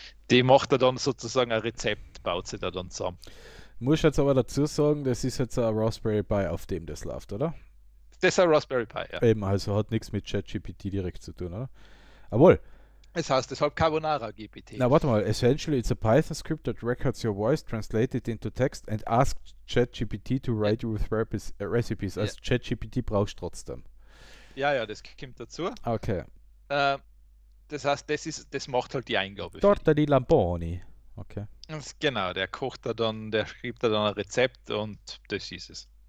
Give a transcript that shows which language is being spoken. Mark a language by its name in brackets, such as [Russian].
[German] Die macht er dann sozusagen ein Rezept, baut sie da dann zusammen. Muss jetzt aber dazu sagen, das ist jetzt ein Raspberry Pi, auf dem das läuft, oder? Das ist ein Raspberry Pi, ja. Eben, also hat nichts mit ChatGPT direkt zu tun, oder? Jawohl. Es heißt deshalb Carbonara GPT. Na, warte mal. [English] Essentially, it's a Python script that records your voice, translates it into text and asks ChatGPT to write you with recipes. [German] Also ChatGPT brauchst du trotzdem. Ja, das kommt dazu. Okay. Das heißt, das macht halt die Eingabe für [Italian] Torta [German] dich. [Italian] di Lamponi. Okay. [German] Und genau, der kocht da dann, der schreibt da dann ein Rezept und das ist es.